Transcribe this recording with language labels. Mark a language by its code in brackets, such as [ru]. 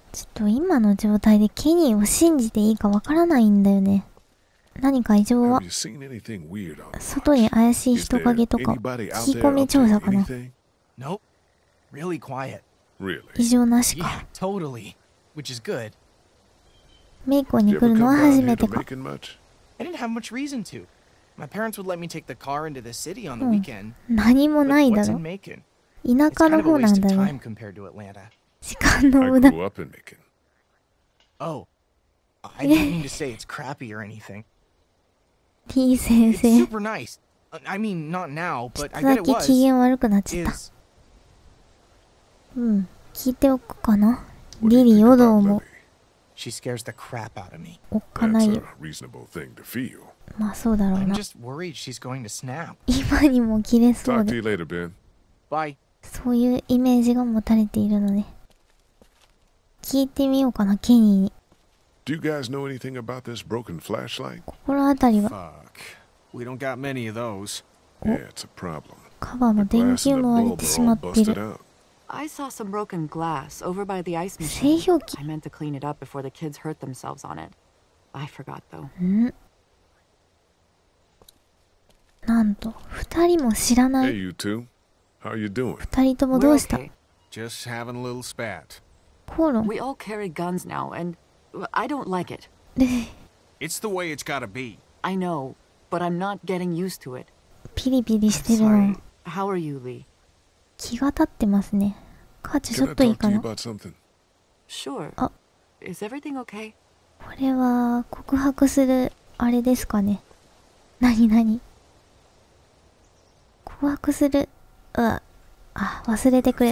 [ja] ちょっと今の状態でケニーを信じていいかわからないんだよね。何か異常は？外に怪しい人影とか、聞き込み調査かな。 [en] Nope. Really quiet. Really? [ja] 異常なしか。 [en] Yeah, totally. Which is good. [ja] メイコに来るのは初めてか。 [en] I didn't have much reason to. My parents would let me take the car into the city on the weekend. [ja] 何もないだろ。田舎の方なんだよ。 [en] It's kind of a waste of time compared [ja] to 時間の無駄。 [en] I grew up in Macon. Oh, I didn't mean to say it's crappy or anything. [ja] T 先生。 [en] It's super nice. I mean, not now, but I get it was. [ja] 聞いておくかな。リリーをどう思う。 [en] She scares the crap out of me. [ja] おっかないよ。 [en] That's a reasonable thing to feel. [ja] まあそうだろうな。 [en] I'm just worried she's going to snap. [ja] 今にも切れそうで。 [en] Talk to you later, Ben. Bye. [ja] そういうイメージが持たれているのね。聞いてみようかな、ケニーに。 [en] Do you guys know anything about this broken flashlight? [ja] 心当たりは。 [en] Fuck. We don't got many of those. Yeah, it's a problem. カバーの電球も割れてしまってる。 I saw some broken glass over by the ice machine. I meant to clean it up before the kids hurt themselves on it. I forgot though. [ja] なんと、二人も知らない。 [en] Hey, you two. How are you doing? [ja] 二人ともどうした？ [en] Just having a little spat. [ja] コロン。 [en] We all carry guns now, and I don't like it. It's the way it's gotta be. I know, but I'm not getting used to it. [ja] ピリピリしてるな。 [en] How are you, Lee? [ja] 気が立ってますね。カーチ、ちょっといいかな？ [en] Can I talk to you about something? Sure. [ja] あ、 [en] Is everything okay? [ja] これは告白するあれですかね。なになに？告白する。うわ。あ、忘れてくれ。